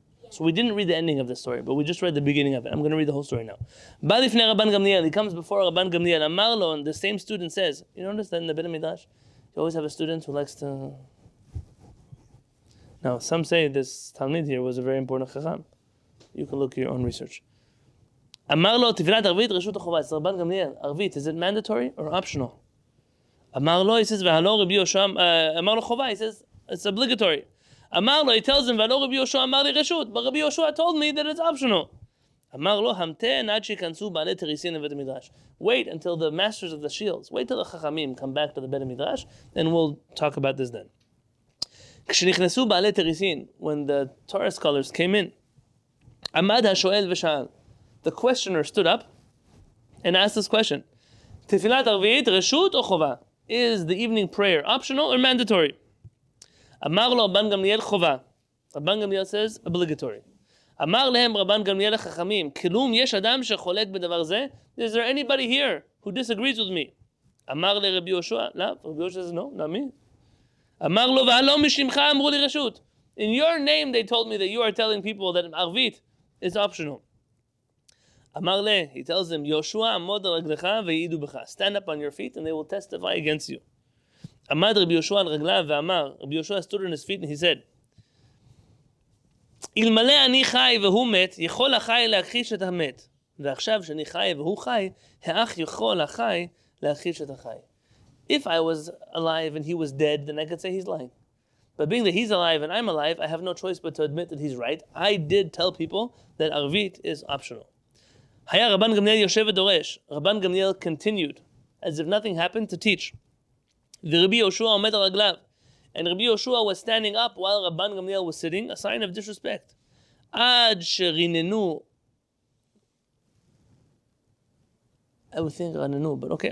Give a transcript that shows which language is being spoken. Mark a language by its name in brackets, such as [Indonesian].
[English] So we didn't read the ending of the story, but we just read the beginning of it. I'm going to read the whole story now. [Hebrew] Balifnei [English] Rabban Gamliel, he comes before Rabban Gamliel. [Hebrew] Amar lo, [English] and the same student says, you notice that in the Bet Midrash, you always have a student who likes to... Now, some say this Talmid here was a very important chacham. You can look at your own research. [Hebrew] אמר לו, תפילת ערבית, רשות החובה. אז רבן גמליאל, ערבית, [English] is it mandatory or optional? [Hebrew] אמר לו, [English] he says, [Hebrew] והלא רבי יהושע, אמר לו חובה, [English] he says, it's obligatory. [Hebrew] אמר לו, [English] he tells him, [Hebrew] והלא רבי יהושע אמר לי רשות, [English] but רבי יהושע told me that it's optional. [Hebrew] אמר לו, המתן עד שיכנסו בעלי תריסין לבית המדרש. [English] Wait until the masters of the shields, wait till the חכמים come back to the בית המדרש, and we'll talk about this then. [Hebrew] כשנכנסו בעלי תריסין, [English] when the Torah scholars came in, [Hebrew] עמד השואל ושאל, [English] the questioner stood up and asked this question, [Hebrew] תפילת ערבית, רשות או חובה? [English] Is the evening prayer optional or mandatory? [Hebrew] אמר לו רבן גמליאל חובה. רבן גמליאל [English] says obligatory. [Hebrew] אמר להם רבן גמליאל החכמים, כלום יש אדם שחולק בדבר זה? [English] Is there anybody here who disagrees with me? [Hebrew] אמר לרבי יהושע, לא, רבי יהושע [English] says no, not me. [Hebrew] אמר לו, והלא משמך אמרו לי רשות. [English] In your name they told me that you are telling people that ערבית is optional. [Hebrew] אמר לה, [English] he tells them, [Hebrew] יהושע עמוד על רגלך ויעידו בך. [English] Stand up on your feet and they will testify against you. [Hebrew] עמד רבי יהושע על רגליו ואמר, רבי יהושע [English] stood on his feet and he said, [Hebrew] אלמלא אני חי והוא מת, יכול החי להכחיש את המת. ועכשיו שאני חי והוא חי, האח יכול החי להכחיש את החי. [English] If I was alive and he was dead, then I could say he's lying. But being that he's alive and I'm alive, I have no choice but to admit that he's right. I did tell people that ערבית is optional. [Hebrew] היה רבן גמליאל יושב ודורש. [English] רבן גמליאל continued, as if nothing happened, to teach. [Hebrew] ורבי יהושע עומד על רגליו. [English] And רבי יהושע was standing up while רבן גמליאל was sitting, a sign of disrespect. [Hebrew] עד שריננו, [English] I would think רננו, but okay.